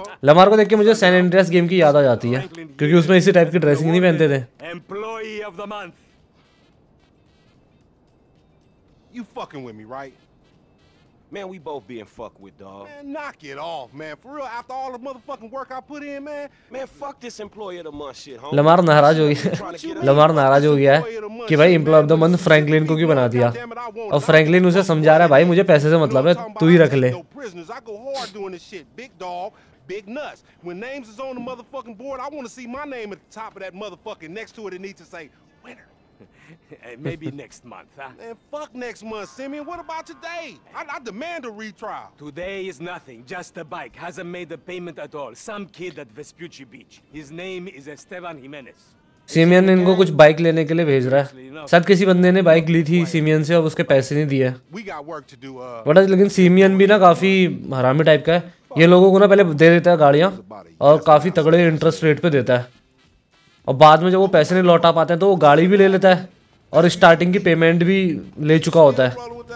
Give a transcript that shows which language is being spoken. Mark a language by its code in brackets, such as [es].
[hi] Lamar को देख के मुझे सैन एंड्रियास गेम की याद आ जाती है, क्योंकि उसमें इसी टाइप की ड्रेसिंग नहीं पहनते थे। [en] You fucking with me, right? Man, we both being fucked with, dog. Man, knock it off, man. For real, after all the motherfucking work I put in, man. Man, fuck this employee of the month shit, homie. [hi] Lamar नाराज हो गया। Lamar नाराज हो गया कि भाई employee of the month Franklin को क्यों बना दिया? और Franklin उसे समझा रहा है, भाई मुझे पैसे से मतलब है, तू ही रख ले। [en] Big nuts. When names is on the motherfucking board, I want to see my name at the top of that motherfucking next to it. It needs to say winner. And maybe next month, huh? And fuck next month, Simeon. What about today? I demand a retrial. Today is nothing. Just a bike. Hasn't made the payment at all. Some kid at Vespucci Beach. His name is Esteban Jimenez. [hi] Simian इनको कुछ bike लेने के लिए भेज रहा है। शायद किसी बंदे ने बाइक ली थी सीमियन से और उसके पैसे नहीं दिए। बड़ा लेकिन सीमियन भी ना काफी हरामी टाइप का है। ये लोगों को ना पहले दे देता है गाड़ियां और काफी तगड़े इंटरेस्ट रेट पे देता है, और बाद में जब वो पैसे नहीं लौटा पाते हैं तो वो गाड़ी भी ले लेता है और स्टार्टिंग की पेमेंट भी ले चुका होता है।